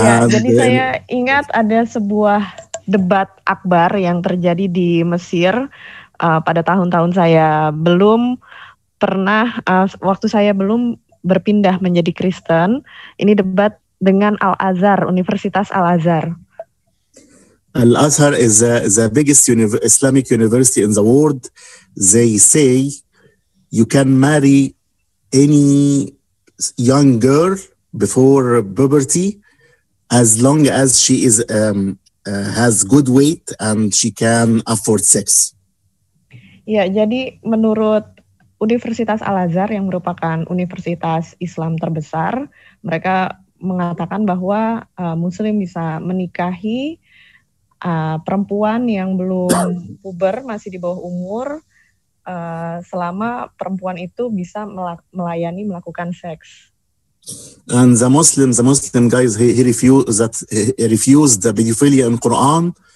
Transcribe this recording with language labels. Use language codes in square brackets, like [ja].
[id] Jadi saya ingat ada sebuah debat akbar yang terjadi di Mesir pada tahun-tahun saya belum pernah, waktu saya belum berpindah menjadi Kristen. Ini debat dengan Al-Azhar, Universitas Al-Azhar. [en] Al-Azhar is the biggest Islamic university in the world. They say you can marry any young girl before puberty as long as she is has good weight and she can afford sex. [id] Ya, jadi menurut Universitas Al-Azhar yang merupakan universitas Islam terbesar, mereka mengatakan bahwa Muslim bisa menikahi perempuan yang belum puber, masih di bawah umur, selama perempuan itu bisa melayani melakukan seks. [en] And the Muslim guys, he refused the pedophilia in Quran.